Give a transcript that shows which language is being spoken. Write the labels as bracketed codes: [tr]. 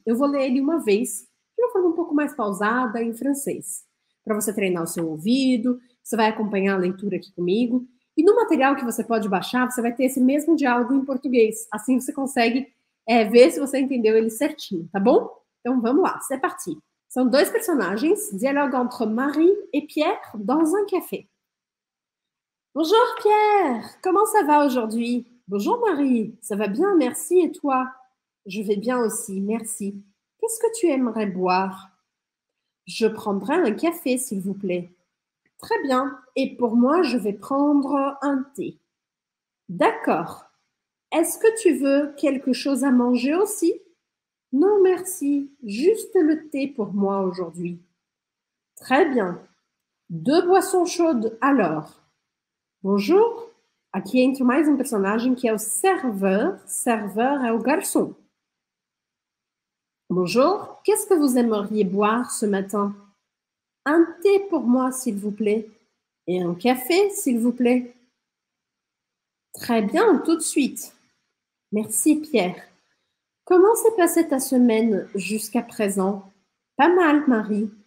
[pt] Eu vou ler ele uma vez, de uma forma um pouco mais pausada, em francês. Para você treinar o seu ouvido, você vai acompanhar a leitura aqui comigo. E no material que você pode baixar, você vai ter esse mesmo diálogo em português. Assim você consegue ver se você entendeu ele certinho, tá bom? Então vamos lá, [fr] c'est parti. [pt] São dois personagens, [fr] dialogue entre Marie et Pierre dans un café. Bonjour Pierre, comment ça va aujourd'hui? Bonjour Marie, ça va bien, merci, et toi? Je vais bien aussi, merci. Qu'est-ce que tu aimerais boire? Je prendrai un café, s'il vous plaît. Très bien. Et pour moi, je vais prendre un thé. D'accord. Est-ce que tu veux quelque chose à manger aussi? Non, merci. Juste le thé pour moi aujourd'hui. Très bien. Deux boissons chaudes, alors. Bonjour. [pt] Aqui entra mais um personagem que é o serveur. Serveur é o garçom. Bonjour. [fr] Qu'est-ce que vous aimeriez boire ce matin? Un thé pour moi, s'il vous plaît. Et un café, s'il vous plaît. Très bien, tout de suite. Merci, Pierre. Comment s'est passée ta semaine jusqu'à présent? Pas mal, Marie.